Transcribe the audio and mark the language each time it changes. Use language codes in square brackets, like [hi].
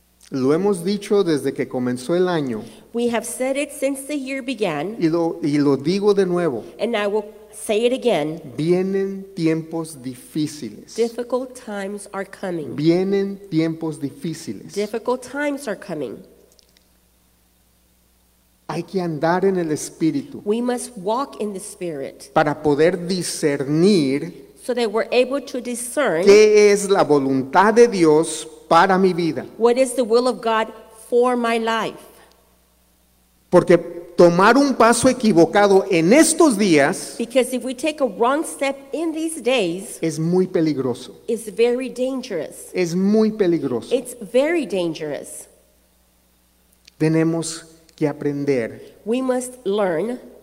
[es] Lo hemos dicho desde que comenzó el año. [en] We have said it since the year began. [es] Y lo digo de nuevo. [en] And I will say it again. [es] Vienen tiempos difíciles. [en] Difficult times are coming. [es] Vienen tiempos difíciles. [en] Difficult times are coming. [es] Hay que andar en el Espíritu. [en] We must walk in the Spirit. [es] Para poder discernir. [en] So that we're able to discern. [es] Qué es la voluntad de Dios para mi vida. [en] What is the will of God for my life. [es] Porque tomar un paso equivocado en estos días. [en] Because if we take a wrong step in these days. [es] Es muy peligroso. [en] It's very dangerous. [es] Es muy peligroso. [en] It's very dangerous. [es] Tenemos que aprender. [en] We must learn